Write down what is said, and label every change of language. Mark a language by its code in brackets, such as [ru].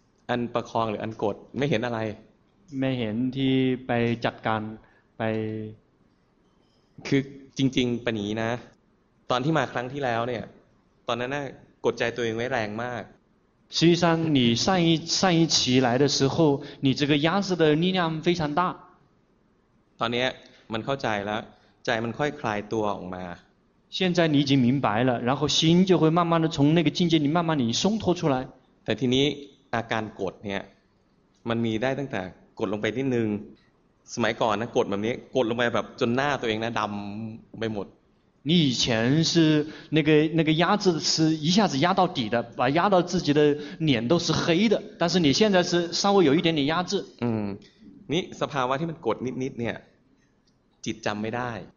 [th] อันประคองหรืออันกดไม่เห็นอะไร ไม่เห็นที่ไปจัดการไป คือจริงๆปณีนะตอนที่มาครั้งที่แล้วเนี่ยตอนนั้นน่ะกดใจตัวเองไว้แรงมาก [zh] 实际上你上一期来的时候你这个压制的力量非常大 [th] ตอนนี้มันเข้าใจแล้วใจมันค่อยคลายตัวออกมา [zh] 现在你已经明白了然后心就会慢慢的从那个境界里慢慢地松脱出来 [th] แต่ทีนี้อาการกดเนี่ยมันมีได้ตั้งแต่กดลงไปนิดนึงสมัยก่อนนะกดแบบนี้กดลงไปแบบจนหน้าตัวเองนะดำไปหมด [zh] 你以前是那个压制是一下子压到底的把压到自己的脸都是黑的但是你现在是稍微有一点点压制 [th] นี่สภาวะที่มันกดนิดๆเนี่ยจิตจำไม่ได้